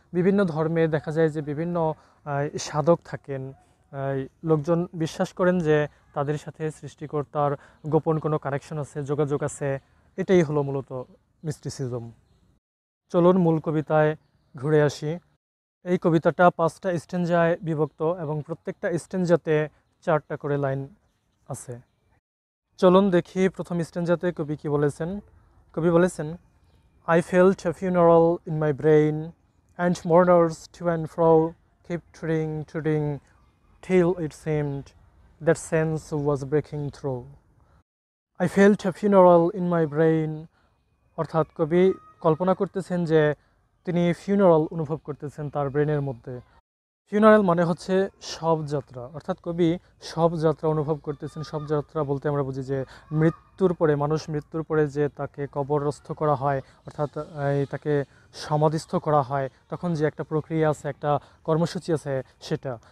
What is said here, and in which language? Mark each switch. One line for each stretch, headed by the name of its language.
Bangla: বিভিন্ন ধর্মে দেখা যায় যে বিভিন্ন সাধক থাকেন, লোকজন বিশ্বাস করেন যে তাদের সাথে সৃষ্টিকর্তার গোপন কোনো কানেকশন আছে, যোগাযোগ আছে, এটাই হলো মূলত মিস্টিসিজম। চলুন মূল কবিতায় ঘুরে আসি। এই কবিতাটা 5টা স্টেঞ্জায় বিভক্ত এবং প্রত্যেকটা স্টেঞ্জাতে 4টা করে লাইন আছে। চলুন দেখি প্রথম স্টেঞ্জাতে কবি কী বলেছেন। কবি বলেছেন,
English: I felt a funeral in my brain, and mourners to and fro kept treading, treading, till it seemed that sense was breaking through. I felt a funeral in my brain.
Bangla: অর্থাৎ কবি কল্পনা করতেছেন যে তিনি ফিউনারাল অনুভব করতেছেন তার ব্রেনের মধ্যে। ফিউনারাল মানে হচ্ছে শবযাত্রা। অর্থাৎ কবি শবযাত্রা অনুভব করতেছেন। শবযাত্রা বলতে আমরা বুঝি যে মৃত্যুর পরে, মানুষ মৃত্যুর পরে যে তাকে কবরস্থ করা হয় অর্থাৎ তাকে সমাধিস্থ করা হয়, তখন যে একটা প্রক্রিয়া আছে, একটা কর্মসূচি আছে সেটা।